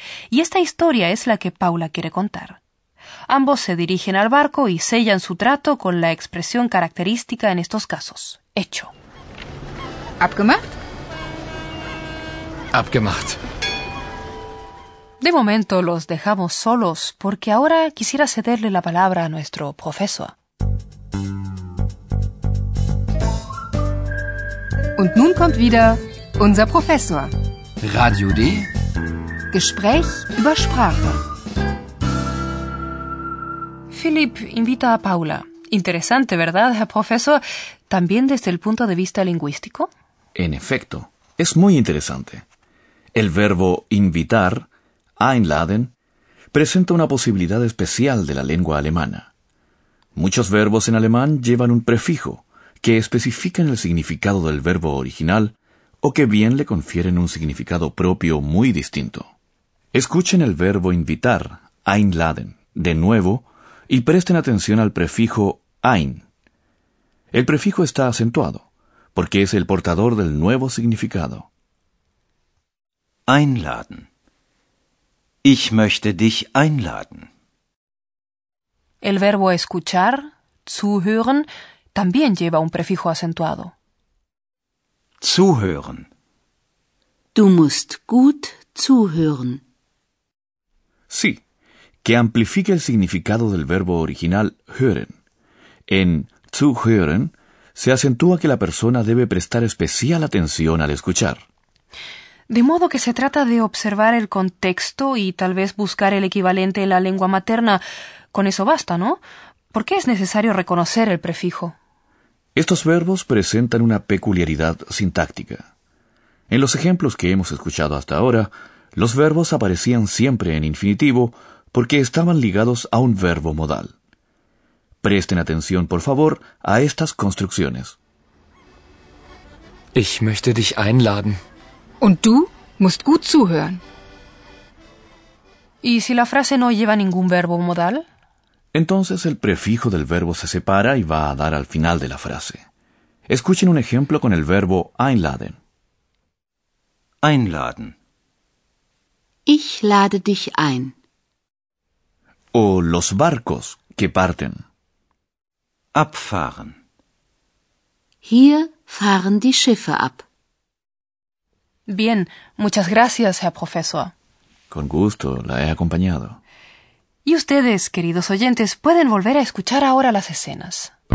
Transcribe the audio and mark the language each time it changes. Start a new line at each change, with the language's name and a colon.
Spanish: Y esta historia es la que Paula quiere contar. Ambos se dirigen al barco y sellan su trato con la expresión característica en estos casos. Hecho.
German: ¿Abgemacht? Abgemacht.
Spanish: De momento los dejamos solos porque ahora quisiera cederle la palabra a nuestro profesor.
German: Und nun kommt wieder unser Professor. Radio D. Gespräch über Sprache.
Spanish: Philipp invita a Paula. Interesante, ¿verdad, Herr Professor? También desde el punto de vista lingüístico. En efecto, es muy interesante. El verbo invitar, einladen, presenta una posibilidad especial de la lengua alemana. Muchos verbos en alemán llevan un prefijo que especifican el significado del verbo original o que bien le confieren un significado propio muy distinto. Escuchen el verbo invitar, einladen, de nuevo, y presten atención al prefijo ein. El prefijo está acentuado, porque es el portador del nuevo significado.
German: Einladen. Ich möchte dich einladen.
Spanish: El verbo escuchar, zuhören, también lleva un prefijo acentuado.
German: Zuhören. Du musst gut zuhören.
Spanish: Sí, que amplifica el significado del verbo original hören. En zuhören se acentúa que la persona debe prestar especial atención al escuchar. De modo que se trata de observar el contexto y tal vez buscar el equivalente en la lengua materna. Con eso basta, ¿no? ¿Por qué es necesario reconocer el prefijo? Estos verbos presentan una peculiaridad sintáctica. En los ejemplos que hemos escuchado hasta ahora, los verbos aparecían siempre en infinitivo porque estaban ligados a un verbo modal. Presten atención, por favor, a estas construcciones.
German: Ich möchte dich einladen. Und du musst gut zuhören.
Spanish: ¿Y si la frase no lleva ningún verbo modal? Entonces el prefijo del verbo se separa y va a dar al final de la frase. Escuchen un ejemplo con el verbo einladen.
German: Einladen. Ich lade dich ein.
Spanish: O los barcos que parten.
German: Abfahren. Hier fahren die Schiffe ab.
Spanish: Bien, muchas gracias, Herr Professor. Con gusto, la he acompañado. Y ustedes, queridos oyentes, pueden volver a escuchar ahora las escenas.